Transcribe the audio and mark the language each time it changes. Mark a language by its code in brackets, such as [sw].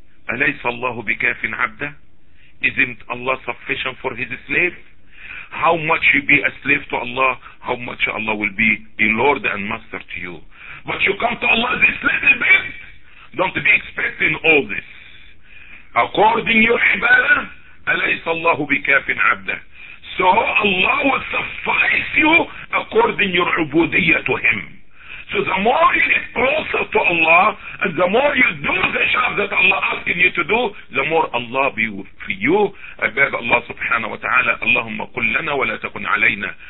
[ar] أليس الله بكاف عبده? [en] Isn't Allah sufficient for His slave? How much you be a slave to Allah, how much Allah will be a Lord and Master to you. But you come to Allah this little bit, don't be expecting all this. According your ibadah, [ar] أليس الله بكاف عبده. [en] So Allah will suffice you according your ubudiyya to Him. So the more you get closer to Allah, and the more you do the job that Allah asking you to do, the more Allah be with you. I beg Allah subhanahu wa ta'ala, Allahumma kul lana wa la takun alayna.